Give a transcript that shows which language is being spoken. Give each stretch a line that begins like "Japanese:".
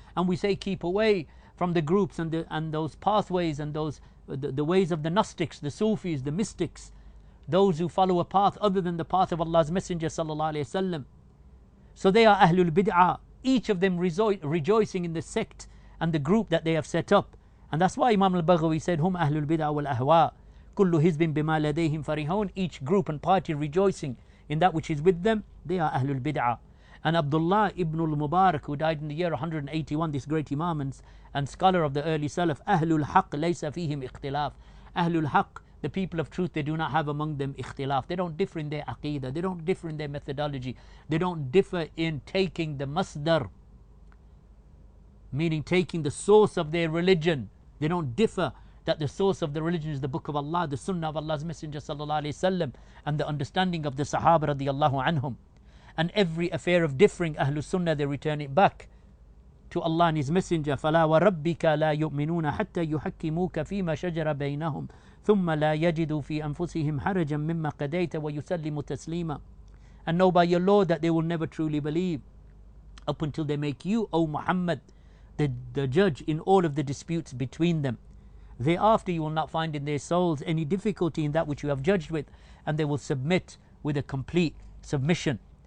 English: And we say, keep away from the groups and those pathways and those the ways of the Gnostics, the Sufis, the mystics, those who follow a path other than the path of Allah's Messenger sallallahu alayhi wa sallam. So they are Ahlul Bid'ah, each of them rejoicing in the sect and the group that they have set up. And that's why Imam al-Baghawi said,
Arabic: هُمْ أَهْلُ الْبِدْعَى وَالْأَهْوَى كُلُّ حِزْبٍ بِمَا لَدَيْهِمْ فَرِحُونَ.
English: Each group and party rejoicing in that which is with them, they are Ahlul Bid'ah. And Abdullah ibn al-Mubarak, who died in the year 181, this great Imam and scholar of the early Salaf, Ahlul Haqq
Arabic: لَيْسَ فِيهِمْ اِخْتِلَافِ.
English: Ahlul Haqq, the people of truth, they do not have among them ikhtilaf. They don't differ in their aqeedah, they don't differ in their methodology, they don't differ in taking the masdar, meaning taking the source of their religion. They don't differ that the source of the religion is the book of Allah, the sunnah of Allah's Messenger sallallahu alayhi wa sallam, and the understanding of the Sahaba radiallahu anhum. And every affair of differing Ahlul Sunnah, they return it back to Allah and His Messenger,
Arabic: فَلَا وَرَبِّكَ لَا يُؤْمِنُونَ حَتَّى يُحَكِّمُوكَ فِي مَا شَجَرَ بَيْنَهُمْ ثُمَّ لَا يَجِدُوا فِي أَنفُسِهِمْ حَرَجًا مِمَّا قَدَيْتَ وَيُسَلِّمُ تَسْلِيمًا.
English: And know by your Lord that they will never truly believe up until they make you, O Muhammad, the judge in all of the disputes between them. Thereafter you will not find in their souls any difficulty in that which you have judged with, and they will submit with a complete submission.